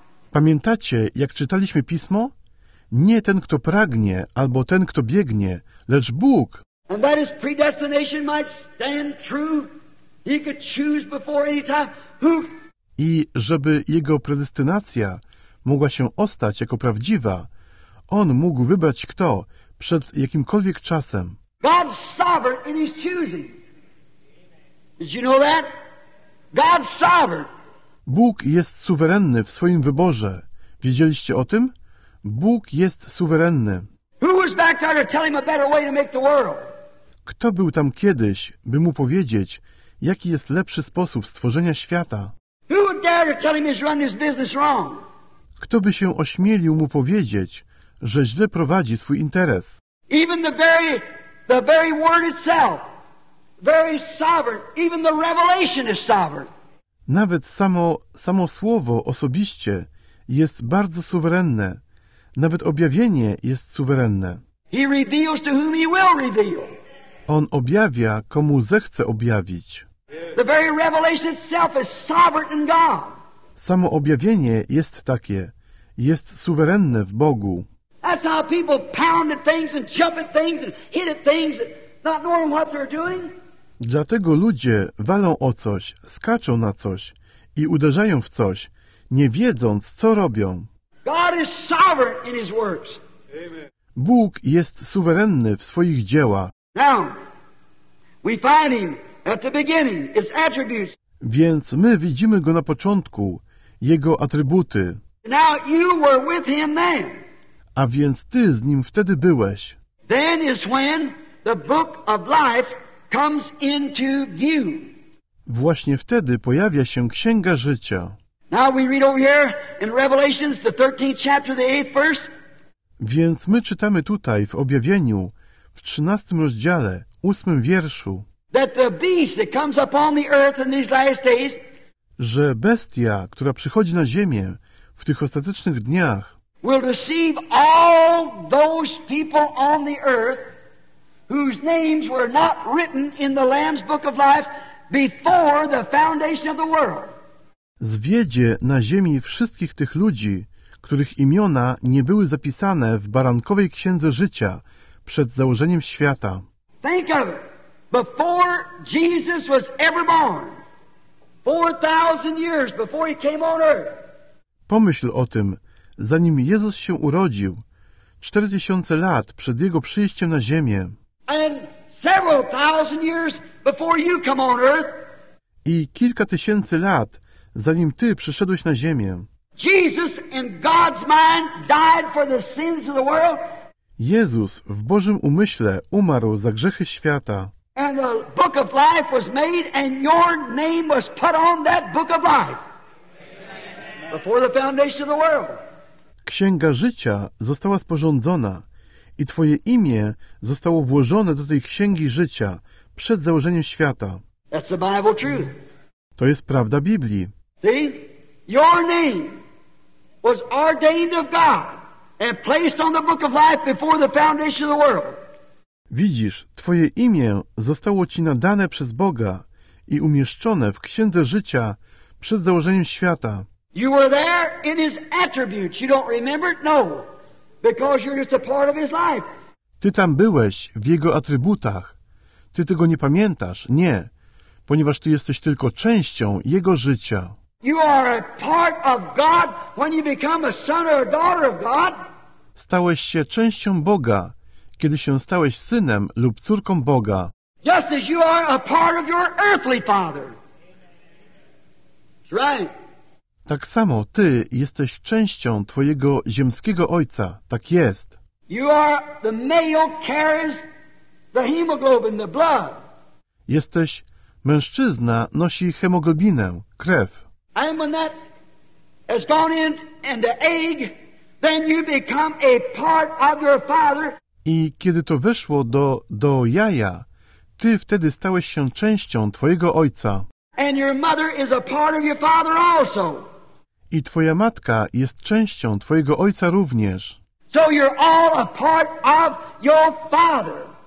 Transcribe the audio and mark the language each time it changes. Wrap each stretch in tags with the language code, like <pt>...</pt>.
<pl>Pamiętacie, jak czytaliśmy pismo? Nie ten, kto pragnie, albo ten, kto biegnie, lecz Bóg.</pl> <en>And that his predestination might stand true. He could choose before any time who.</en> <pl>I żeby jego predestynacja mogła się ostać jako prawdziwa, on mógł wybrać kto przed jakimkolwiek czasem.</pl> <en>God's sovereign in his choosing. Did you know that? God's sovereign.</en> <pl>Bóg jest suwerenny w swoim wyborze. Wiedzieliście o tym? Bóg jest suwerenny.</pl> <en>Who was was back there to tell him a better way to make the world?</en> <pl>Kto był tam kiedyś, by mu powiedzieć, jaki jest lepszy sposób stworzenia świata?</pl> <en>Who would dare to tell him he's run his business wrong?</en> <pl>Kto by się ośmielił mu powiedzieć, że źle prowadzi swój interes?</pl> <en>Even the very word itself, very sovereign, even the revelation is sovereign.</en> <pl>Nawet samo słowo osobiście jest bardzo suwerenne. Nawet objawienie jest suwerenne.</pl> <en>He reveals to whom he will reveal.</en> <pl>On objawia, komu zechce objawić.</pl> <en>The very revelation itself is sovereign in God.</en> <pl>Samo objawienie jest takie. Jest suwerenne w Bogu.</pl> <en>That's how people pound at things and jump at things and hit at things, not knowing what they're doing.</en> <pl>Dlatego ludzie walą o coś, skaczą na coś i uderzają w coś, nie wiedząc, co robią.</pl> <en>God is sovereign in his works.</en> <pl>Bóg jest suwerenny w swoich dziełach.</pl> <en>Now, we find him at the beginning, his attributes.</en> <pl>Więc my widzimy go na początku, jego atrybuty.</pl> <en>Now you were with him then.</en> <pl>A więc ty z nim wtedy byłeś.</pl> <en>Then is when the book of life comes into view.</en> <pl>Właśnie wtedy pojawia się Księga Życia.</pl> <en>Now we read over here in Revelations, the 13th chapter, the 8th verse.</en> <pl>Więc my czytamy tutaj w objawieniu, w 13 rozdziale, 8 wierszu,</pl> <en>that the beast that comes upon the earth in these last days,</en> <pl>że bestia, która przychodzi na ziemię w tych ostatecznych dniach,</pl> <en>will deceive all those people on the earth whose names were not written in the Lamb's Book of Life before the foundation of the world.</en> <pl>Zwiedzie na ziemi wszystkich tych ludzi, których imiona nie były zapisane w Barankowej Księdze Życia przed założeniem świata.</pl> <en>Think of it. Before Jesus was ever born, 4,000 years before he came on earth.</en> <pl>Pomyśl o tym, zanim Jezus się urodził, 4,000 lat przed jego przyjściem na ziemię.</pl> <en>And several thousand years before you come on earth.</en> <pl>I kilka tysięcy lat, zanim ty przyszedłeś na ziemię.</pl> <en>Jesus in God's mind died for the sins of the world.</en> <pl>Jezus w Bożym umyśle umarł za grzechy świata.</pl> <en>And the book of life was made and your name was put on that book of life. Before the foundation of the world.</en> <pl>Księga Życia została sporządzona i twoje imię zostało włożone do tej Księgi Życia przed założeniem świata.</pl> <en>That's the Bible truth.</en> <pl>To jest prawda Biblii.</pl> <en>See? Your name was ordained of God and placed on the book of life before the foundation of the world.</en> <pl>Widzisz, twoje imię zostało ci nadane przez Boga i umieszczone w Księdze Życia przed założeniem świata.</pl> <en>You were there in his attributes. You don't remember it? No. Because you're just a part of his life.</en> <pl>Ty tam byłeś w jego atrybutach. Ty tego nie pamiętasz? Nie. Ponieważ ty jesteś tylko częścią jego życia.</pl> <en>You are a part of God when you become a son or a daughter of God.</en> <pl>Stałeś się częścią Boga, kiedy się stałeś synem lub córką Boga.</pl> <en>Just as you are a part of your earthly father. That's right.</en> <pl>Tak samo ty jesteś częścią twojego ziemskiego ojca. Tak jest.</pl> <en>You are the male carries the hemoglobin, the blood.</en> <pl>Jesteś mężczyzna nosi hemoglobinę, krew.</pl> <en>And when that has gone in and the egg, then you become a part of your father.</en> <pl>I kiedy to weszło do jaja, ty wtedy stałeś się częścią twojego ojca.</pl> <en>And your mother is a part of your father also.</en> <pl>I twoja matka jest częścią twojego ojca również.</pl> <en>So you're all a part of your father.</en>